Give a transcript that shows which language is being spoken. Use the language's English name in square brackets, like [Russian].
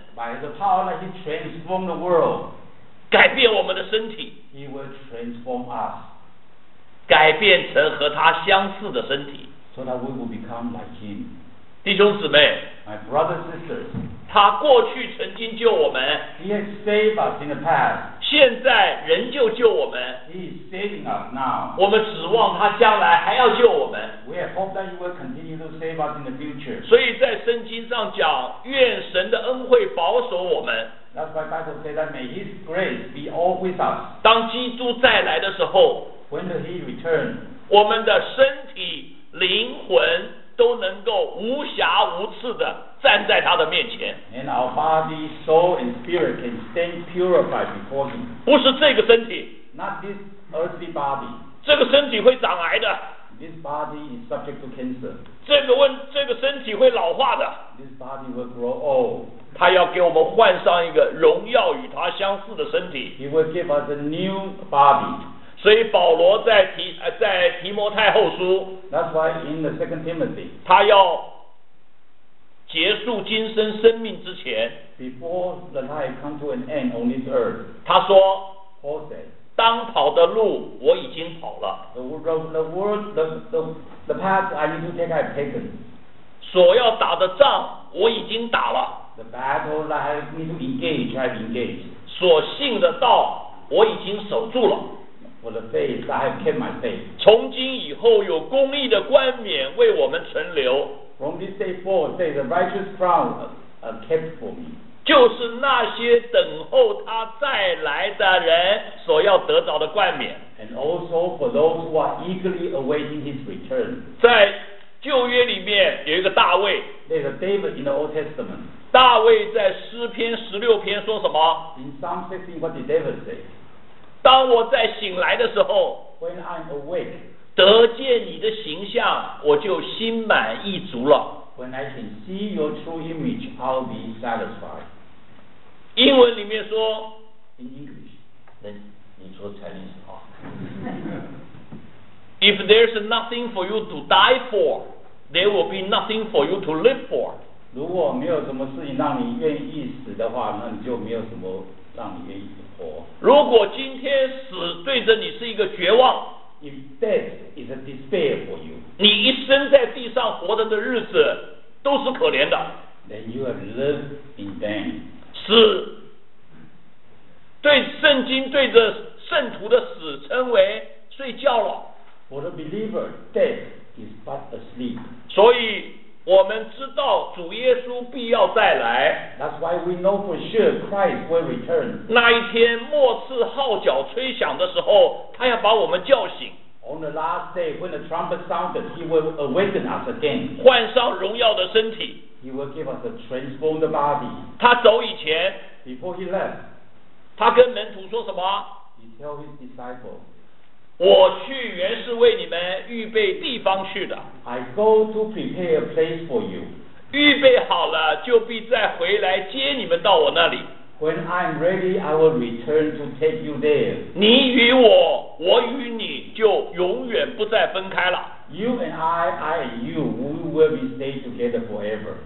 [English] By the power that he transformed the world. [Chinese] 改变我们的身体， [English] He will transform us. [Chinese] 改变成和他相似的身体， [English] so that we will become like him. [Chinese] 弟兄姊妹， [English] My brothers and sisters, [Chinese] 他过去曾经救我们， [English] He has saved us in the past. [Chinese] 现在仍旧救我们， [English] He is saving us now. [Chinese] 我们指望他将来还要救我们， [English] We have hope that he will continue to save us in the future. [Chinese] 所以在圣经上讲，愿神的恩惠保守我们。 [English] That's why Bible says that may His grace be all with us. [Chinese] 当基督再来的时候， [English] When does He return? [Chinese] 我们的身体、灵魂都能够无瑕无疵的站在他的面前。 [English] And our body, soul, and spirit can stand purified before Him. [Chinese] 不是这个身体， [English] Not not this earthly body. [Chinese] 这个身体会长癌的。 [English] This body is subject to cancer. [Chinese] 这个身体会老化的。 [English] This body will grow old. [Chinese] 他要给我们换上一个荣耀与他相似的身体。 [English] He will give us a new body. [Chinese] 所以保罗在提摩太后书。 [English] That's why in the second Timothy. [Chinese] 他要结束今生生命之前。 [English] Before the life comes to an end on this earth. [Chinese] 他说。 [English] Paul said. [Chinese] 当跑的路我已经跑了。 [English] The path I need to take I've taken. [Chinese] 所要打的仗我已经打了。 [English] The battle I need to engage I've engaged. [Chinese] 所信的道我已经守住了。 [English] For the faith I have kept my faith. [Chinese] 从今以后有公义的冠冕为我们存留。 [English] From this day forward, say the righteous crown kept for me. [Chinese] 就是那些等候他再来的人所要得到的冠冕。 [English] And also for those who are eagerly awaiting his return. [Chinese] 在旧约里面有一个大卫。 [English] There's a David in the Old Testament. [Chinese] 大卫在诗篇十六篇说什么？ [English] In Psalm 16, what did David say? [Chinese] 当我在醒来的时候， [English] When I'm awake, [Chinese] 得见你的形象，我就心满意足了。 [English] When I can see your true image, I'll be satisfied. [Chinese] 英文里面说 [English] In English, [Chinese] 你说 Chinese 好。 [English] If there's nothing for you to die for, there will be nothing for you to live for. [Chinese] 如果没有什么事情让你愿意死的话，那你就没有什么让你愿意活。如果今天死对着你是一个绝望。 [English] If death is a despair for you, [Chinese] 你一生在地上活着的日子都是可怜的。 [English] Then you have lived in vain. [Chinese] 死，对圣经对着圣徒的死称为睡觉了。 [English] For the believer, death is but asleep. [Chinese] 所以我们知道主耶稣必要再来。 [English] That's why we know for sure Christ will return. [Chinese] 那一天末次号角吹响的时候，他要把我们叫醒。 [English] On the last day, when the trumpet sounded, he will awaken us again. [Chinese] 换上荣耀的身体。 [English] He will give us a transformed body. [Chinese] 他走以前。 [English] Before he left. [Chinese] 他跟门徒说什么？ [English] He tell his disciples. [Chinese] 我去原是为你们预备地方去的。 [English] I go to prepare a place for you. [Chinese] 预备好了，就必再回来接你们到我那里。 [English] When I'm ready, I will return to take you there. [Chinese] 你与我，我与你，就永远不再分开了。 [English] You and I, I and you, we will be stay together forever.